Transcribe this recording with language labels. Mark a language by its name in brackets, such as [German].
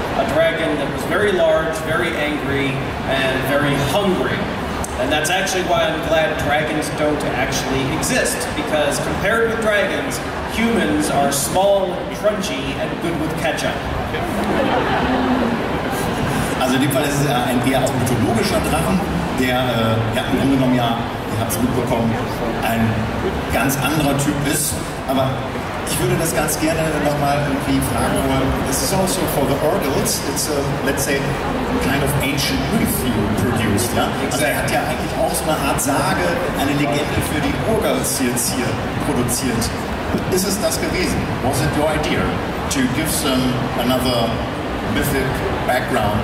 [English] A dragon that was very large, very angry, and very hungry. And that's actually why I'm glad dragons don't actually exist. Because compared with dragons, humans are small, crunchy, and good with ketchup. [German] Also in dem Fall ist es ein eher auch mythologischer Drachen, der im Grunde genommen ja, ihr habt es mitbekommen, ein ganz anderer Typ ist. Aber ich würde das ganz gerne nochmal irgendwie fragen wollen. [English] This is also for the Urgals, it's a, let's say, a kind of ancient myth you produced, [German] ja? Also er hat ja eigentlich auch so eine Art Sage, eine Legende für die Urgals jetzt hier produziert. Ist es das gewesen? [English] Was it your idea to give some another mythic background?